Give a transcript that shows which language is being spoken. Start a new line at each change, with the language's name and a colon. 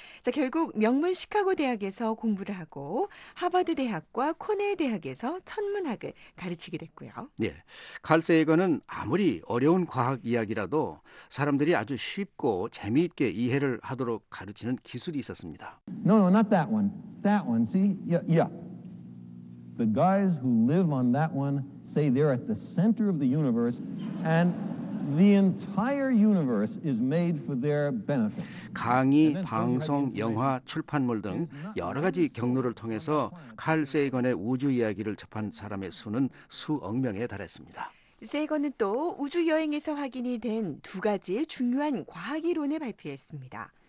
Korean: 자, 결국 명문 시카고 대학에서 공부를 하고 하버드 대학과 코넬 대학에서 천문학을 가르치게 됐고요. 네, 칼 세이건은 아무리 어려운 과학 이야기라도 사람들이 아주 쉽고 재미있게 이해를 하도록 가르치는 기술이 있었습니다.
English: No, no, not that one. That one, see? Yeah, yeah. The guys who live on that one say they're at the center of the universe and the entire universe is made for their benefit.
Korean: 강의, 방송, 영화, 출판물 등 여러 가지 경로를 통해서 칼 세이건의 우주 이야기를 접한 사람의 수는 수억 명에 달했습니다. 세이건은 또 우주 여행에서 확인이 된 두 가지의 중요한 과학 이론을 발표했습니다.